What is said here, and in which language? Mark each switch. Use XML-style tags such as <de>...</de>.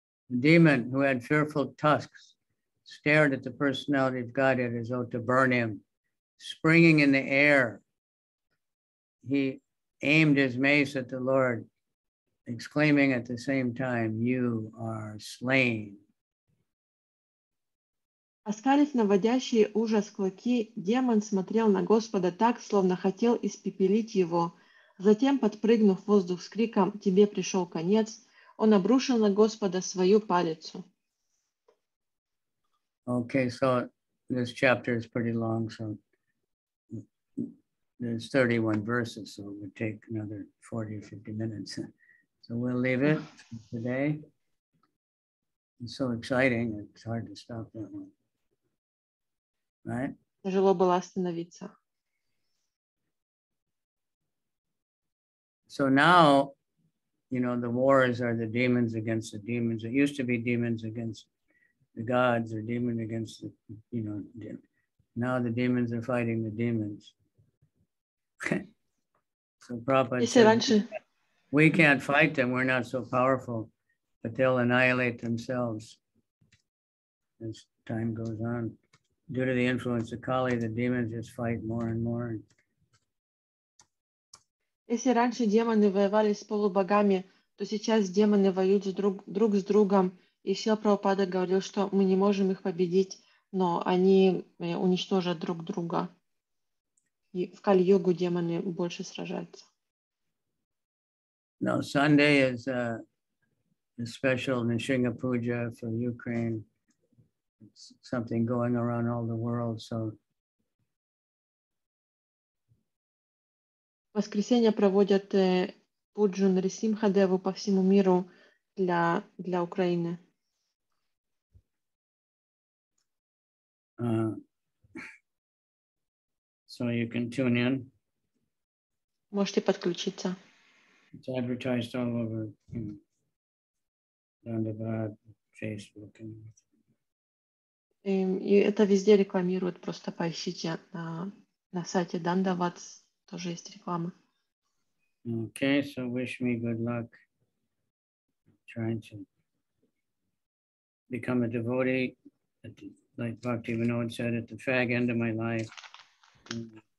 <en>The demon, who had fearful tusks, stared at the personality of Godhead as though to burn him. Springing in the air, he aimed his mace at the Lord, exclaiming at the same time, "You are slain."</en> <ru>Оскалив наводящие ужас клыки, демон смотрел на Господа так, словно хотел испепелить его. Затем, подпрыгнув в воздух с криком «Тебе пришел конец», он обрушил на Господа свою палицу.</ru> <en>Okay, so this chapter is pretty long, so there's 31 verses, so it would take another 40 or 50 minutes. So we'll leave it today. It's so exciting, it's hard to stop that one. Right?</en> <ru>Тяжело было остановиться.</ru> <en>So now, you know, the wars are the demons against the demons. It used to be demons against the gods or demon against the, you know, now the demons are fighting the demons. So Prabhupada said,</en> <ru>раньше...</ru> <en>we can't fight them, we're not so powerful, but they'll annihilate themselves as time goes on. Due to the influence of Kali, the demons just fight more and more.</en> <ru>Если раньше демоны воевали с полубогами, то сейчас демоны воюют друг с другом. И Сил Прабхупада говорил, что мы не можем их победить, но они уничтожат друг друга. И в Кали-югу демоны больше сражаются.</ru> <en>Now, Sunday is a special Nishinga Puja for Ukraine. It's something going around all the world, so...</en> <ru>Воскресенье проводят пуджу Нарисимхадеву по всему миру для Украины.</ru> <en>So you can tune in.</en> <ru>Можете подключиться.</ru> <en>It's advertised all over, you know, on the bar, Facebook and</en> <ru>И это везде рекламируют, просто поищите на сайте Дандавац, тоже есть реклама.</ru> <en>Okay, so wish me good luck trying to become a devotee, at the, like Bhakti Vinod said, at the fag end of my life.</en>